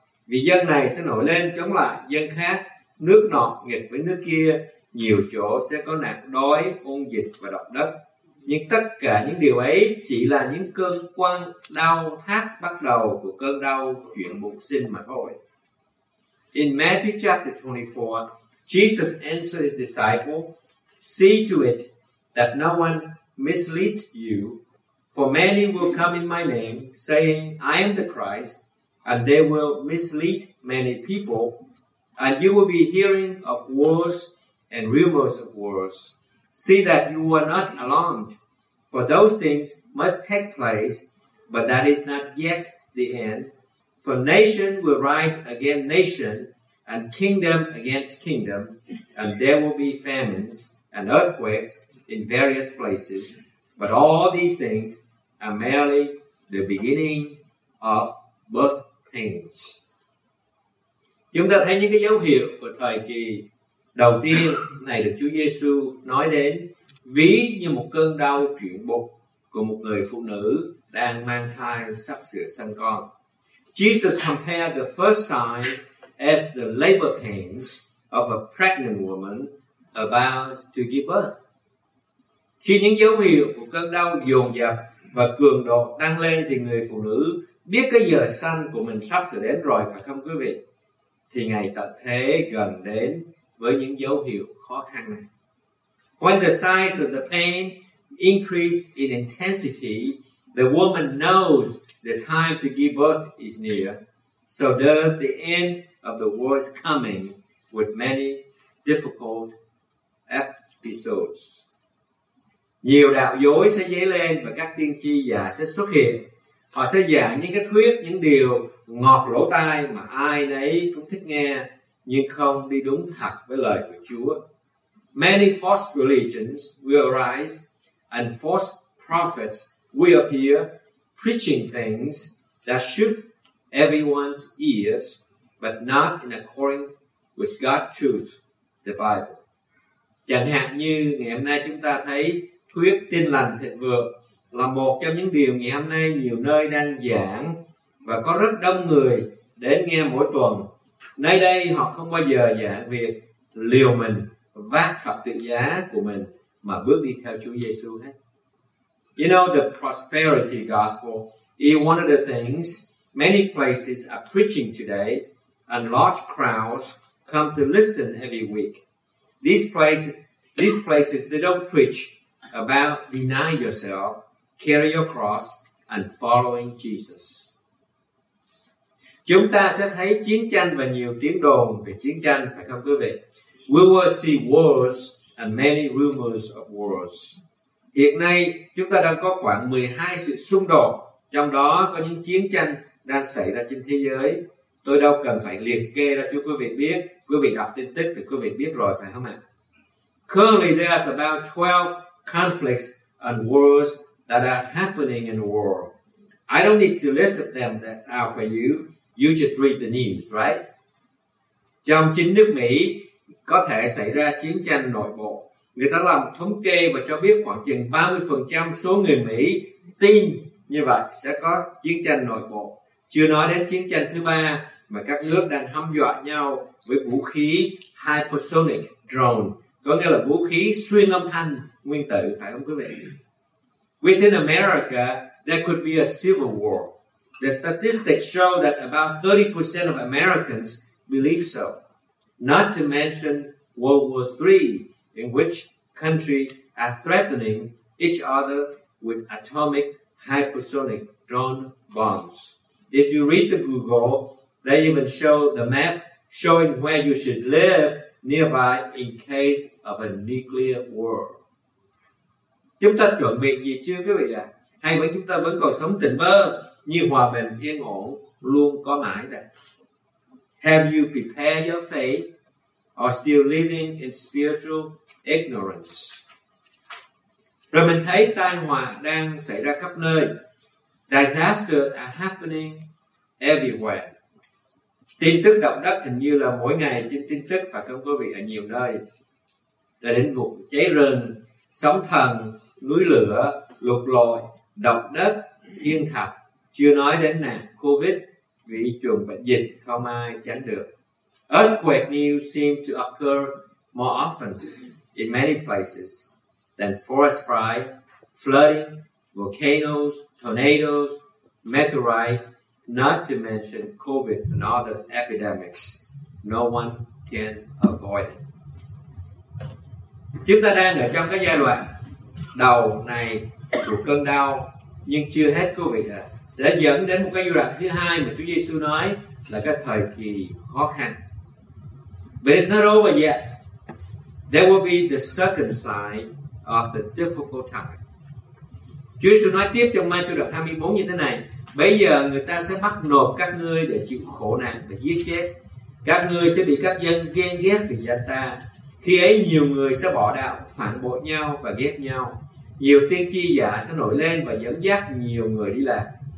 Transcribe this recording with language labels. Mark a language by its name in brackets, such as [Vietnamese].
[Vietnamese] Vì dân này sẽ nổi lên chống lại dân khác, nước nọ nghịch với nước kia, nhiều chỗ sẽ có nạn đói, ôn dịch và động đất. Nhưng tất cả những điều ấy chỉ là những cơn quan đau thác bắt đầu của cơn đau chuyển bụng sinh mà thôi." [English] In Matthew chapter 24, Jesus answered his disciple, "See to it that no one misleads you, for many will come in my name, saying, 'I am the Christ,' and they will mislead many people, and you will be hearing of wars and rumors of wars. See that you are not alarmed, for those things must take place, but that is not yet the end. For nation will rise against nation, and kingdom against kingdom, and there will be famines and earthquakes in various places. But all these things are merely the beginning of birth pains." [Vietnamese] Chúng ta thấy những cái dấu hiệu của thời kỳ đầu tiên này được Chúa Giêsu nói đến ví như một cơn đau chuyển bụng của một người phụ nữ đang mang thai sắp sửa sanh con. [English] Jesus compared the first sign as the labor pains of a pregnant woman about to give birth. [Vietnamese] Khi những dấu hiệu của cơn đau dồn dập và cường độ tăng lên thì người phụ nữ biết cái giờ sanh của mình sắp sửa đến rồi, phải không quý vị? Thì ngày tận thế gần đến với những dấu hiệu khó khăn này. [English] When the size of the pain increased in intensity, the woman knows the time to give birth is near. So does the end of the world's coming with many difficult episodes. [Vietnamese] Nhiều đạo dối sẽ dấy lên và các tiên tri giả sẽ xuất hiện. Họ sẽ giảng những cái thuyết, những điều ngọt lỗ tai mà ai nấy cũng thích nghe, nhưng không đi đúng thật với lời của Chúa. [English] Many false religions will arise and false prophets will appear preaching things that shook everyone's ears but not in accordance with God's truth, the Bible. [Vietnamese] Chẳng hạn như ngày hôm nay chúng ta thấy thuyết tin lành thịnh vượng là một trong những điều ngày hôm nay nhiều nơi đang giảng và có rất đông người đến nghe mỗi tuần. Nay đây họ không bao giờ giảng việc liều mình vác thập tự giá của mình mà bước đi theo Chúa Giêsu hết. [English] You know, the prosperity gospel is one of the things many places are preaching today and large crowds come to listen every week. These places they don't preach about deny yourself, carry your cross and following Jesus. [Vietnamese] Chúng ta sẽ thấy chiến tranh và nhiều tiếng đồn về chiến tranh, phải không quý vị? [English] We will see wars and many rumors of wars. [Vietnamese] Hiện nay, chúng ta đang có khoảng 12 sự xung đột, trong đó có những chiến tranh đang xảy ra trên thế giới. Tôi đâu cần phải liệt kê ra cho quý vị biết. Quý vị đọc tin tức thì quý vị biết rồi, phải không ạ? [English] Currently, there are about 12 conflicts and wars that are happening in the world. I don't need to list them out for you. You just read the news, right? [Vietnamese] Trong chính nước Mỹ, có thể xảy ra chiến tranh nội bộ. Người ta làm thống kê và cho biết khoảng chừng 30% số người Mỹ tin như vậy sẽ có chiến tranh nội bộ. Chưa nói đến chiến tranh thứ ba mà các nước đang hăm dọa nhau với vũ khí hypersonic drone, có nghĩa là vũ khí xuyên âm thanh nguyên tử, phải không quý vị? [English] Within America, there could be a civil war. The statistics show that about 30% of Americans believe so. Not to mention World War III, in which countries are threatening each other with atomic hypersonic drone bombs. If you read the Google, they even show the map showing where you should live nearby in case of a nuclear war. [Vietnamese] Chúng ta chuẩn bị gì chưa quý vị ạ? Hay vẫn chúng ta vẫn còn sống tình bơ như hòa bình yên ổn luôn có mãi đây? [English] Have you prepared your faith or still living in spiritual ignorance? [Vietnamese] Rồi mình thấy tai họa đang xảy ra khắp nơi. [English] Disasters are happening everywhere. [Vietnamese] Tin tức động đất hình như là mỗi ngày trên tin tức và không có vị ở nhiều nơi. Đã đến vụ cháy rừng, sóng thần, núi lửa, lục lội, động đất, thiên thập. Chưa nói đến nạn COVID, vi trùng bệnh dịch không ai tránh được. [English] Earthquake news seem to occur more often in many places than forest fire, flooding, volcanoes, tornadoes, meteorites, not to mention COVID and other epidemics. No one can avoid it. [Vietnamese] Chúng ta đang ở trong cái giai đoạn đầu này của cơn đau, nhưng chưa hết COVID à. Sẽ dẫn đến một cái giai đoạn thứ hai mà Chúa Giêsu nói là cái thời kỳ khó khăn. [English] But it's not over yet. There will be the second sign of the difficult time. [Vietnamese] Chúa Giêsu nói tiếp trong Matthew 24 như thế này: bây giờ người ta sẽ bắt nộp các ngươi để chịu khổ nạn và giết chết. Các ngươi sẽ bị các dân ghen ghét vì danh ta. Khi ấy nhiều người sẽ bỏ đạo, phản bội nhau và ghét nhau. Nhiều tiên tri giả sẽ nổi lên và dẫn dắt nhiều người đi lạc.